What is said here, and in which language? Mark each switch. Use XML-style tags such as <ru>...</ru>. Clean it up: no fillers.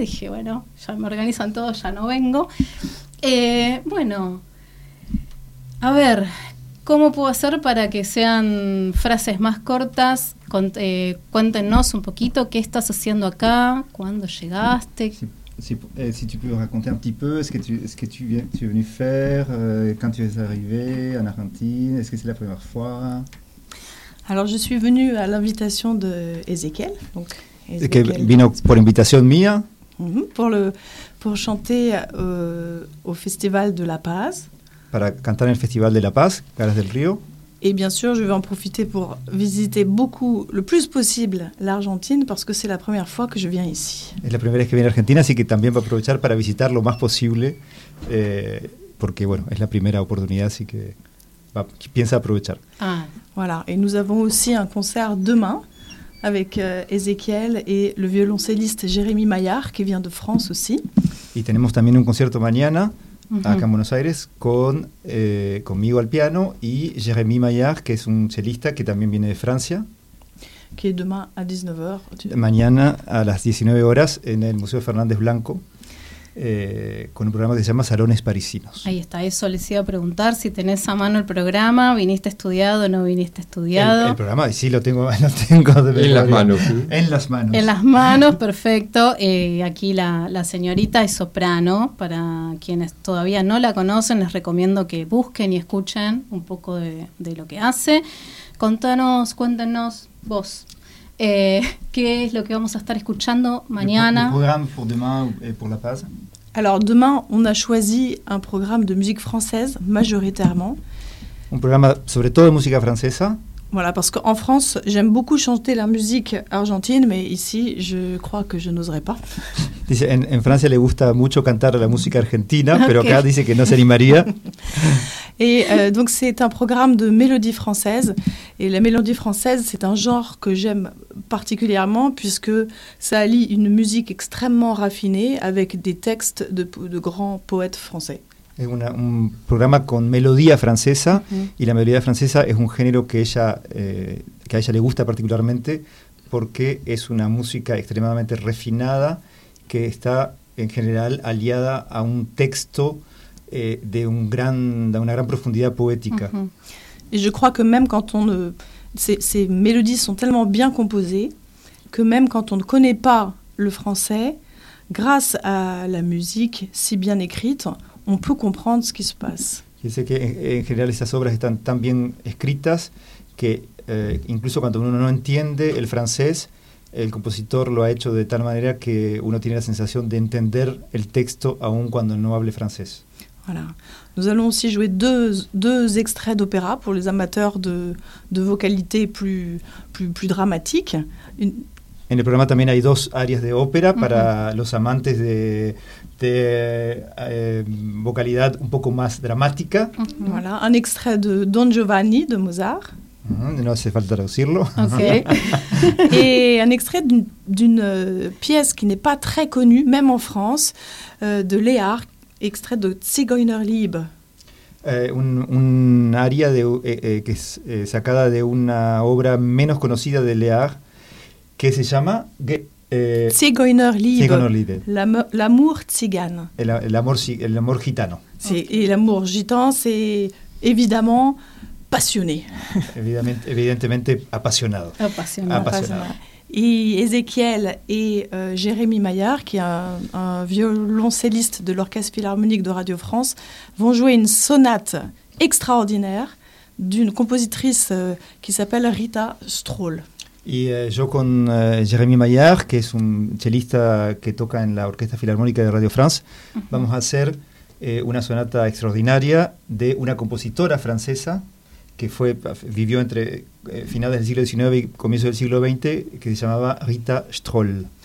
<es>Dije, bueno, ya me organizan todo, ya no vengo. Bueno, a ver, ¿cómo puedo hacer para que sean frases más cortas? Cuéntenos un poquito qué estás haciendo acá, cuándo llegaste.</es> <fr>Si tu peux raconter un petit peu ce que tu es venu faire, quand tu es arrivé en Argentine, est-ce que c'est la première fois? Alors, je suis venue à l'invitation de Ezequiel. Donc,</fr> <es>vino por invitación mía.</es> <fr>Pour chanter au Festival de La Paz.</fr> <es>Para cantar en el Festival de La Paz, Caras del Río.</es> <fr>Et bien sûr, je vais en profiter pour visiter beaucoup, le plus possible, l'Argentine, parce que c'est la première fois que je viens ici.</fr> <es>Es la primera vez que viene a Argentina, así que también va a aprovechar para visitar lo más posible, porque bueno, es la primera oportunidad, así que piensa aprovechar.</es> <fr>Ah, voilà. Et nous avons aussi un concert demain avec Ezequiel et le violoncelliste Jérémy Maillard, qui vient de France aussi.</fr> <es>Y tenemos también un concierto mañana. Uh-huh. Acá en Buenos Aires, conmigo al piano y Jérémy Maillard, que es un cellista que también viene de Francia. Que es demain a 19h. Mañana a las 19 horas en el Museo Fernández Blanco, con un programa que se llama Salones Parisinos. Ahí está, eso les iba a preguntar, si tenés a mano el programa, ¿viniste estudiado o no viniste estudiado? El programa, sí, lo tengo de verdad. En las manos, perfecto. Aquí la señorita es soprano, para quienes todavía no la conocen, les recomiendo que busquen y escuchen un poco de lo que hace. Contanos, cuéntanos vos. ¿Qué es lo que vamos a estar escuchando mañana? ¿El programa para mañana y para La Paz?</es> <fr>Alors, demain, on a choisi un</fr> <es>programa de música francesa,</es> <fr>majoritairement.</fr> <es>Un programa sobre todo de música francesa.</es> <fr>Voilà, parce qu'en France, j'aime beaucoup chanter la musique argentine, mais ici, je crois que je n'oserais pas.</fr> <es>Dice, en Francia le gusta mucho cantar la música argentina, pero okay. Acá dice que no se animaría.</es> <fr>Et donc, c'est un programme de mélodie française. Et la mélodie française, c'est un genre que j'aime particulièrement, puisque ça allie une musique extrêmement raffinée avec des textes de grands poètes français.</fr> <es>Es un programa con melodía francesa, uh-huh. Y la melodía francesa es un género que a ella le gusta particularmente porque es una música extremadamente refinada que está en general aliada a un texto de una gran profundidad poética.</es> <fr>Uh-huh.</fr> <es>Y yo creo que</es> <fr>même quand on ne ces mélodies sont tellement bien composées que même quand on ne connaît pas le français, grâce à la musique si bien écrite, on peut comprendre ce qui se passe. Je sais que</fr> <es>en general estas obras están tan bien escritas que incluso cuando uno no entiende el francés, el compositor lo ha hecho de tal manera que uno tiene la sensación de entender el texto aun cuando no hable francés.</es> <fr>Voilà. Nous allons aussi jouer deux extraits d'opéra pour les amateurs de vocalité plus dramatique.</fr> <es>En el programa también hay dos áreas de ópera para los amantes de vocalidad un poco más dramática.</es> <fr>Uh-huh. Voilà, un extrait de Don Giovanni de Mozart.</fr> <es>No hace falta traducirlo.</es> <en>Okay.</en> <fr>Et un extrait d'une pièce qui n'est pas très connue, même en France, de Léard, extrait de Zigeunerlied.</fr> <es>Un área que es sacada de una obra menos conocida de Léard, que se llama</es> <fr>Zigeunerlied, l'amour tzigane.</fr> <es>El amor gitano. Sí, okay.</es> <fr>Et l'amour gitan, c'est évidemment passionné.</fr> <es>Evidentemente apasionado. Apasionado.</es> <fr>et Ézéchiel et Jérémy Maillard, qui est un violoncelliste de l'Orchestre Philharmonique de Radio France, vont jouer une sonate extraordinaire d'une compositrice qui s'appelle Rita Stroll.</fr> <es>Y yo con Jérémy Maillard, que es un chelista que toca en la Orquesta Filarmónica de Radio France, vamos a hacer una sonata extraordinaria de una compositora francesa que vivió entre finales del siglo XIX y comienzos del siglo XX, que se llamaba Rita Stroll.</es>